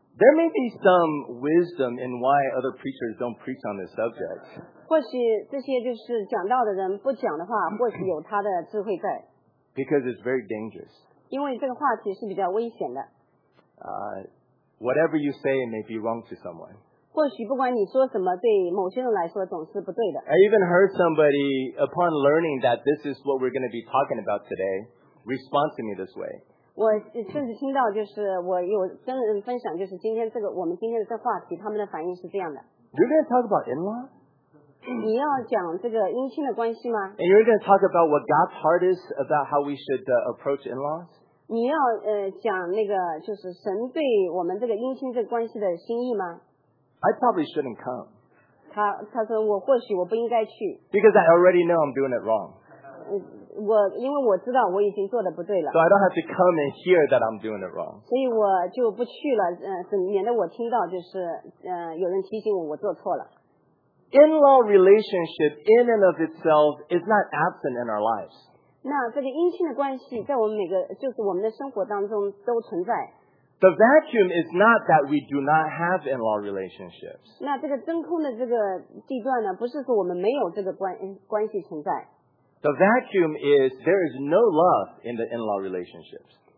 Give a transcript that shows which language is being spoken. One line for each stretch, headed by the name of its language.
English: There may be some wisdom in why other preachers don't preach on this subject.
Chinese: 或许这些就是讲道的人不讲的话，或许有他的智慧在。
English: Because it's very dangerous.
Chinese: 因为这个话题是比较危险的。
English: Whatever you say may be wrong to someone.
Chinese: 或许不管你说什么，对某些人来说总是不对的。
English: I even heard somebody upon learning that this is what we're going to be talking about today, respond to me this way.
Chinese: 我甚至听到，就是我有跟人分享，就是今天这个我们今天的这话题，他们的反应是这样的。
English: You're going to talk about in-law?
Chinese: 你要讲这个姻亲的关系吗
English: ？And you're going to talk about what God's heart is about how we should approach in-laws?
Chinese: 你要讲那个就是神对我们这个姻亲这关系的心意吗
English: ？I probably shouldn't come.
Chinese: 他说我或许我不应该去。
English: Because I already know I'm doing it wrong.
Chinese: 因为我知道我已经做的不对了。
English: So I don't have to come and hear that I'm doing it wrong.
Chinese: 所以我就不去了，免得我听到就是有人提醒我我做错了。
English: In-law relationship in and of itself is not absent in our lives.
Chinese: 那这个姻亲的关系在我们每个就是我们的生活当中都存在。
English: The vacuum is not that we do not have in-law relationships.
Chinese: 那这个真空的这个地段呢，不是说我们没有这个关系存在。
English: The vacuum is there is no love in the in-law relationships.